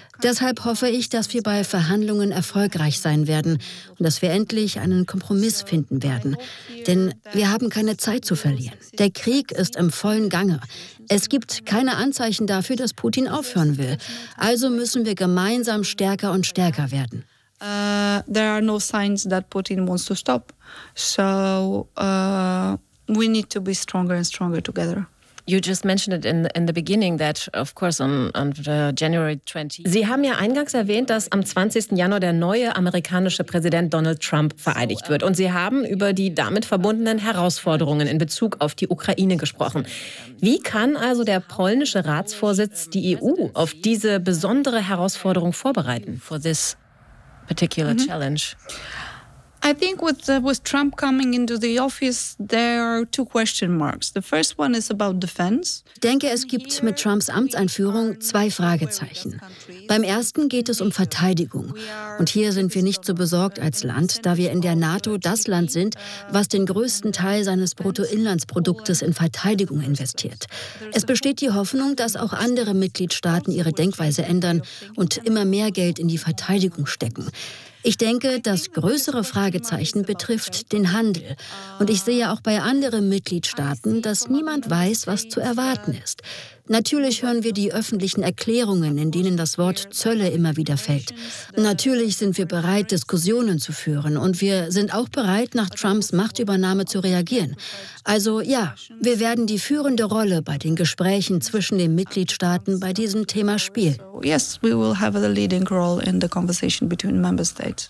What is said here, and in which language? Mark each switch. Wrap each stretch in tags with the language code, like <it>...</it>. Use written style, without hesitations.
<de>Deshalb hoffe ich, dass wir bei Verhandlungen erfolgreich sein werden und dass wir endlich einen Kompromiss finden werden. Denn wir haben keine Zeit zu verlieren. Der Krieg ist im vollen Gange. Es gibt keine Anzeichen dafür, dass Putin aufhören will. Also müssen wir gemeinsam stärker und stärker werden.</de> <en>There are no signs that Putin wants to stop. So we need to be stronger and stronger together. You just mentioned it in the beginning that of course on January 20.</en> <de>Sie haben ja eingangs erwähnt, dass am 20. Januar der neue amerikanische Präsident Donald Trump vereidigt wird und Sie haben über die damit verbundenen Herausforderungen in Bezug auf die Ukraine gesprochen. Wie kann also der polnische Ratsvorsitz die EU auf diese besondere Herausforderung vorbereiten?</de> <en>For this particular challenge. I think with Trump coming into the office, there are two question marks. The first one is about defense.</en> <de>Ich denke, es gibt mit Trumps Amtseinführung zwei Fragezeichen. Beim ersten geht es um Verteidigung. Und hier sind wir nicht so besorgt als Land, da wir in der NATO das Land sind, was den größten Teil seines Bruttoinlandsproduktes in Verteidigung investiert. Es besteht die Hoffnung, dass auch andere Mitgliedstaaten ihre Denkweise ändern und immer mehr Geld in die Verteidigung stecken. Ich denke, das größere Fragezeichen betrifft den Handel. Und ich sehe auch bei anderen Mitgliedstaaten, dass niemand weiß, was zu erwarten ist. Natürlich hören wir die öffentlichen Erklärungen, in denen das Wort Zölle immer wieder fällt. Natürlich sind wir bereit, Diskussionen zu führen. Und wir sind auch bereit, nach Trumps Machtübernahme zu reagieren. Also ja, wir werden die führende Rolle bei den Gesprächen zwischen den Mitgliedstaaten bei diesem Thema spielen.</de> <en>Yes, we will have the leading role in the conversation between member states.</en>